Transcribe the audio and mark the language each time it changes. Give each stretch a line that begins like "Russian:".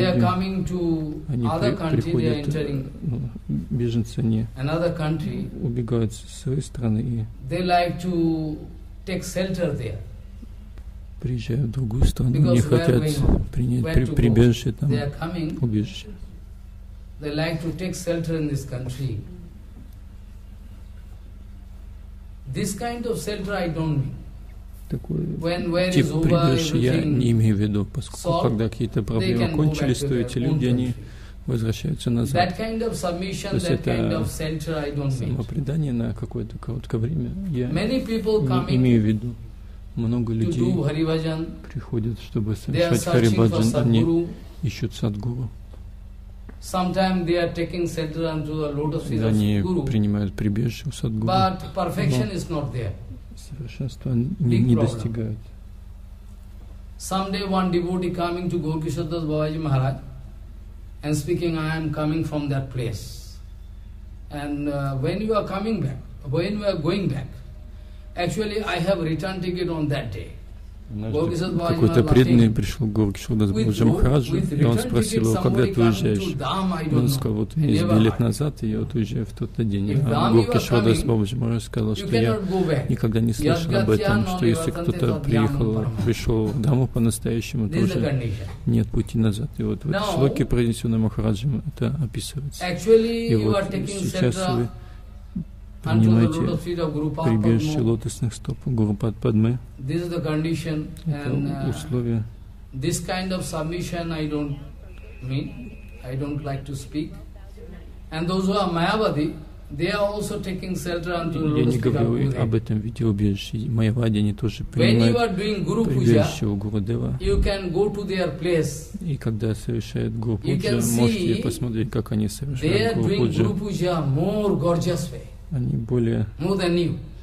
English: are coming to
Russian: они
English: other country,
Russian: приходят,
English: they are entering,
Russian: ну, беженцы, они
English: another country,
Russian: убегают с своей страны и
English: they like to take shelter there.
Russian: Приезжают в другую страну, они хотят принять прибежище там,
English: they are coming,
Russian: убежище.
English: They like to take shelter in this country. This kind of shelter I don't mean.
Russian: Такой тип прибежища я не имею в виду, поскольку когда какие-то проблемы кончились, то эти люди, они возвращаются назад.
English: Kind of
Russian: то есть это самопредание на какое-то короткое время я не имею в виду. Много людей приходят, чтобы совершать харибаджан, они ищут садгуру.
English: Sometimes they are taking shelter under the lotus feet of
Russian: они принимают прибежище у садгуру.
English: But perfection is not there.
Russian: Совершенства не достигают.
English: Someday one devotee coming to Gorkishadas Babaji Maharaj and speaking, I am coming from that place. And when you are coming back, when you are going back, actually I have return ticket on that day.
Russian: Однажды какой-то преданный пришел к Гаукшодасбуджа Махараджу, и он спросил его, когда ты уезжаешь. Он сказал, вот есть билет назад, и я вот уезжаю в тот день. А Гаукшодасбуджа Махараджу сказал, что я никогда не слышал об этом, что если кто-то приехал, пришел в даму по-настоящему, то уже нет пути назад. И вот в этой шлоке, произнесенной Махараджем, это описывается. И вот сейчас вы принимайте прибежище лотосных стоп Гурупад Падме. Это условие.
English: This kind of submission I don't mean, I don't like to speak. And those who are Mayavadi, they are also taking shelter unto lotus feet.
Russian: Я не говорю об этом виде убежище. Майявади, они тоже принимают прибежище у Гурудева.
English: You can go to their place.
Russian: И когда совершают Гурупуджа, можете посмотреть, как они совершают Гурупуджа.
English: They are doing Gurupuja more gorgeous way.
Russian: Они более,
English: more than you.